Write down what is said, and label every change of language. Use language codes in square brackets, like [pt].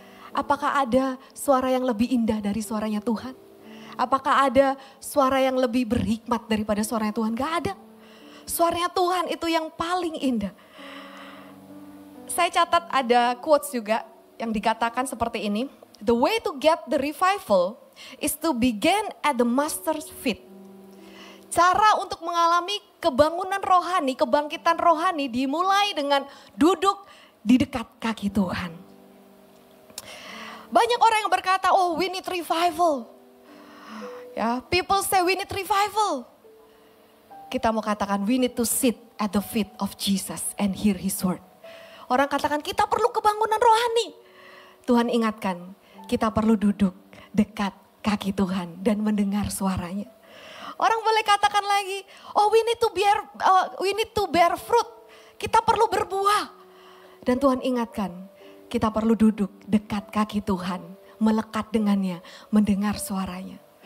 [id] Apakah ada suara yang lebih indah dari suaranya Tuhan? Apakah ada suara yang lebih berhikmat daripada suaranya Tuhan? Gak ada. Suaranya Tuhan itu yang paling indah. Saya catat ada quotes juga yang dikatakan seperti ini. [en] The way to get the revival is to begin at the master's feet. [id] Cara untuk mengalami kebangunan rohani, kebangkitan rohani dimulai dengan duduk di dekat kaki Tuhan. Banyak orang yang berkata, [en] oh we need revival. Ya, people say we need revival. [id] Kita mau katakan [en] we need to sit at the feet of Jesus and hear his word. [id] Orang katakan kita perlu kebangunan rohani. Tuhan ingatkan kita perlu duduk dekat kaki Tuhan dan mendengar suaranya. Orang boleh katakan lagi, [en] oh we need to bear fruit. [id] Kita perlu berbuah. Dan Tuhan ingatkan kita perlu duduk dekat kaki Tuhan, melekat dengannya, mendengar suaranya.